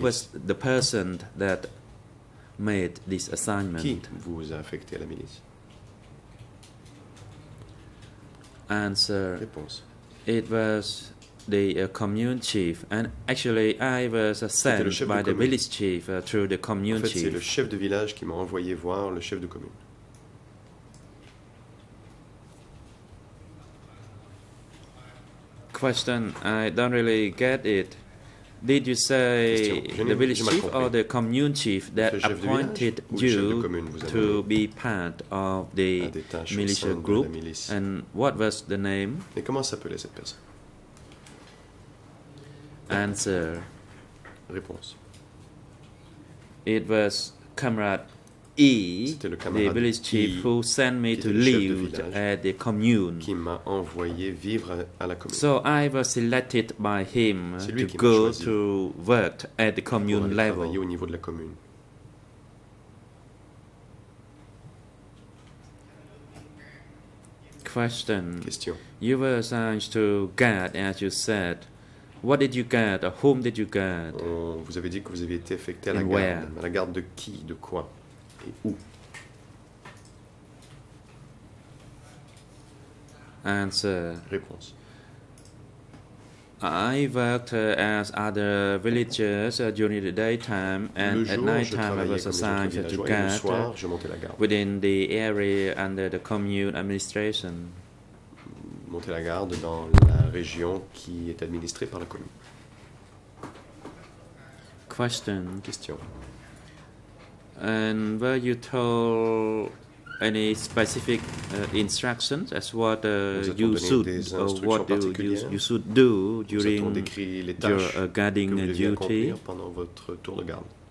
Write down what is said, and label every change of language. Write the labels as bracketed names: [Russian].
[English] Was the person that made this assignment? [French] Qui vous a affecté à la milice? [English] Answer. [French] Réponse. [English] It was the commune chief, and actually I was sent by the village chief through the commune [French] en fait, [English] chief. [French] C'est le chef de village qui m'a envoyé voir le chef de commune. [English] Question, I don't really get it. Did you say the village chief or the commune chief that appointed you to be part of the militia group? And what was the name? [French] Et comment s'appelait cette personne? [English] Answer. [French] Réponse. [English] It was Comrade E, the village chief, who sent me to live at the commune. [French] Qui m'a envoyé vivre à la commune. [English] So I was selected by him to go to work at the commune level. [French] Pour travailler au niveau de la commune. [English] Question. [French] Question. [English] You were assigned to guard, as you said. What did you get? Whom did you get? [French] Vous avez dit que vous aviez été affecté à [English] and [French] la garde. [English] Where? [French] À la garde de qui, de quoi, et où? [English] Answer. [French] Réponse. [English] I worked as other villagers during the daytime and [French] le jour, [English] at night time I was assigned to guard within the area under the commune administration. [French] Monter la garde dans la région qui est administrée par la commune. [English] Question. [French] Question. [English] And were you told any specific instructions as what you should or what you should do during your guarding duty? [French] Pendant votre tour de garde.